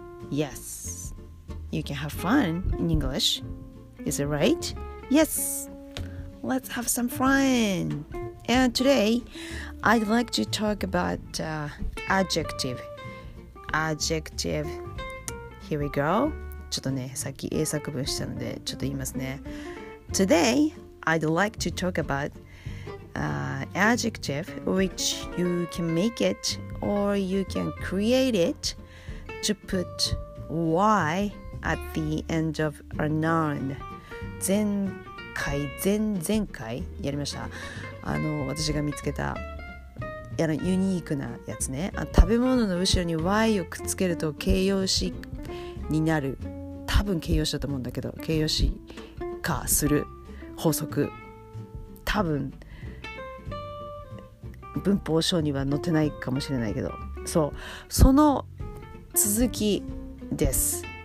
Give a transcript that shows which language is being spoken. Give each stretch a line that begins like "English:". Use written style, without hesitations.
English: Yes, you can have fun in English. Is it right? Yes, let's have some fun. And today, I'd like to talk about adjective. Adjective. Here we go.
Japanese: ちょっとね、さっき英作文したので、ちょっと言いますね。
English: Today, I'd like to talk about adjective which you can make it or you can create it to put Y at the end of a noun.
Japanese: 前回、前々回やりました。私が見つけたユニークなやつね。食べ物の後ろに Y をくっつけると形容詞になる。多分形容詞だと思うんだけど、形容詞化する法則、多分文法書には載ってないかもしれないけど、そう、その続きです。